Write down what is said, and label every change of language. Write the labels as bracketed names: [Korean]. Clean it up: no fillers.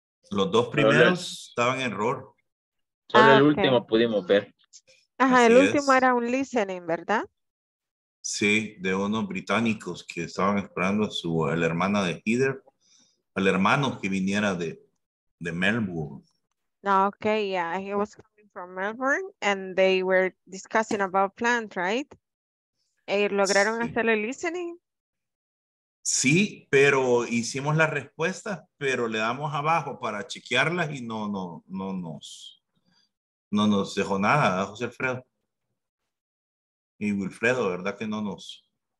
[Spanish] Los dos primeros estaban en error. Solo el último pudimos ver. Ajá, así el último es. Era un listening, ¿verdad? Sí, de unos británicos que estaban esperando a su a la hermana de Heather, al hermano que viniera de Melbourne. [English] Okay, yeah, he was coming from Melbourne and they were discussing about plant, right? [Spanish] ¿Lograron hacer el listening? Sí, pero hicimos las respuestas, pero le damos abajo para chequearlas y no nos dejó nada, José Alfredo. Y Wilfredo, ¿verdad que no nos?